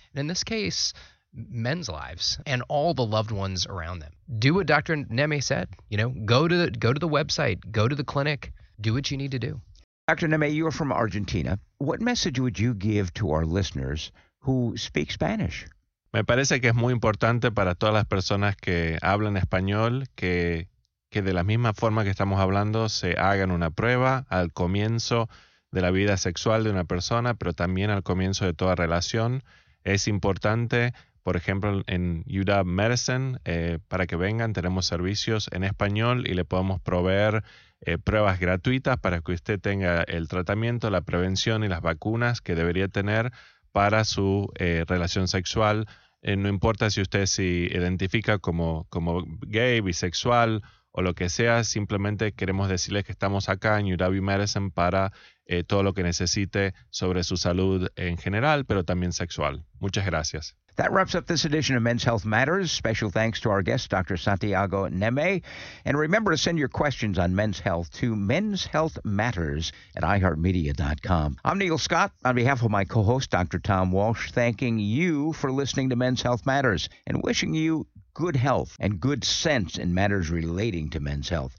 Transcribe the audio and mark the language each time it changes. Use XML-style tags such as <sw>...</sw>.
<en>And in this case, men's lives and all the loved ones around them. Do what Dr. Neme said, you know, go to the website, go to the clinic, do what you need to do. Dr. Neme, you're from Argentina. What message would you give to our listeners who speak Spanish?</en> <es>Me parece que es muy importante para todas las personas que hablan español que de la misma forma que estamos hablando se hagan una prueba al comienzo de la vida sexual de una persona, pero también al comienzo de toda relación. Es importante. Por ejemplo, en UW Medicine, para que vengan, tenemos servicios en español y le podemos proveer pruebas gratuitas para que usted tenga el tratamiento, la prevención y las vacunas que debería tener para su relación sexual. No importa si usted se identifica como gay, bisexual o lo que sea, simplemente queremos decirles que estamos acá en UW Medicine para todo lo que necesite sobre su salud en general, pero también sexual. Muchas gracias.</es> <en>That wraps up this edition of Men's Health Matters. Special thanks to our guest, Dr. Santiago Neme. And remember to send your questions on men's health to menshealthmatters@iheartmedia.com. I'm Neil Scott. On behalf of my co-host, Dr. Tom Walsh, thanking you for listening to Men's Health Matters and wishing you good health and good sense in matters relating to men's health.</en>